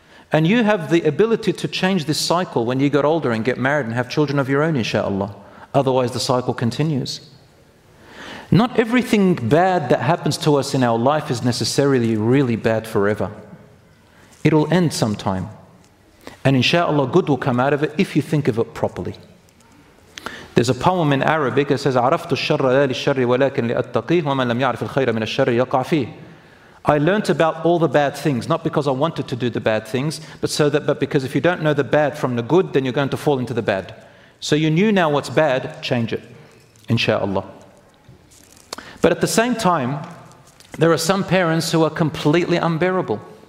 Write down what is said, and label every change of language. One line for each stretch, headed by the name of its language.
English: And you have the ability to change this cycle when you get older and get married and have children of your own, inshallah. Otherwise, the cycle continues. Not everything bad that happens to us in our life is necessarily really bad forever. It'll end sometime. And inshallah, good will come out of it if you think of it properly. There's a poem in Arabic that says,
Arabic: عَرَفْتُ الشَّرَّ لَا لِلشَّرِّ وَلَكِنْ لِأَتَّقِيهُ وَمَنْ لَمْ يَعْرِفِ الْخَيْرَ مِنَ الشَّرِّ يَقَعْ فِيهُ.
English: I learnt about all the bad things, not because I wanted to do the bad things, but because if you don't know the bad from the good, then you're going to fall into the bad. So you knew now what's bad, change it, inshallah. But at the same time, there are some parents who are completely unbearable.